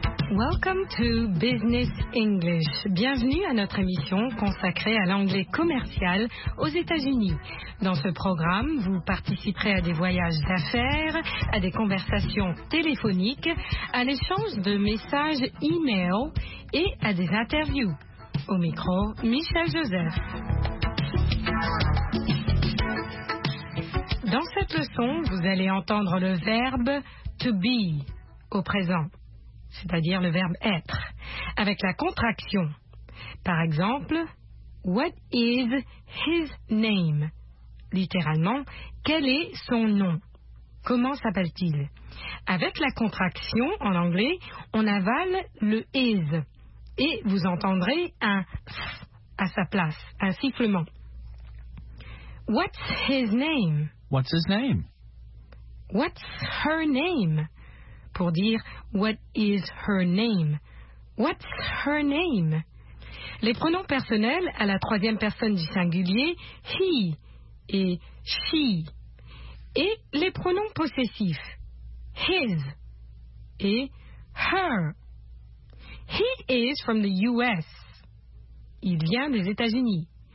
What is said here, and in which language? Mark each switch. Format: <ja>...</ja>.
<en>Welcome to Business English.</en> <fr>Bienvenue à notre émission consacrée à l'anglais commercial aux États-Unis. Dans ce programme, vous participerez à des voyages d'affaires, à des conversations téléphoniques, à l'échange de messages e-mail et à des interviews. Au micro, Michel Joseph. Dans cette leçon, vous allez entendre le verbe to be au présent, c'est-à-dire le verbe être, avec la contraction. Par exemple,</fr> <en>what is his name?</en> <fr>Littéralement, quel est son nom? Comment s'appelle-t-il? Avec la contraction, en anglais, on avale le is et vous entendrez un s à sa place, un sifflement.</fr> <en>What's his name? What's his name? What's her name?</en> <fr>Pour dire</fr> <en>what is her name? What's her name?</en> <fr>Les pronoms personnels à la troisième personne du singulier, he et she, et les pronoms possessifs, his et her.</fr> <en>He is from the US.</en> <fr>Il vient des États-Unis.</fr>